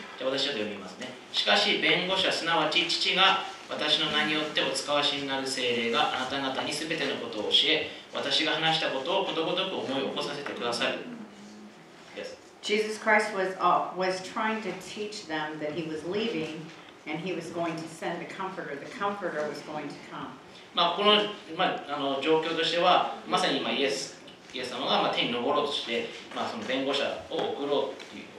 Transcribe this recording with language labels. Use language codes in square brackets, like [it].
[ja] じゃあ私ちょっと読みますね。しかし弁護者すなわち父が私の名によってお使わしになる聖霊があなた方にすべてのことを教え、私が話したことをことごとく思い起こさせてくださる。 [en] Yes. Jesus Christ was trying to teach them that he was leaving and he was going to send the comforter. The comforter was going to come. [ja] この状況としてはまさに今イエス様が天に昇ろうとして、その弁護者を送ろうっていう。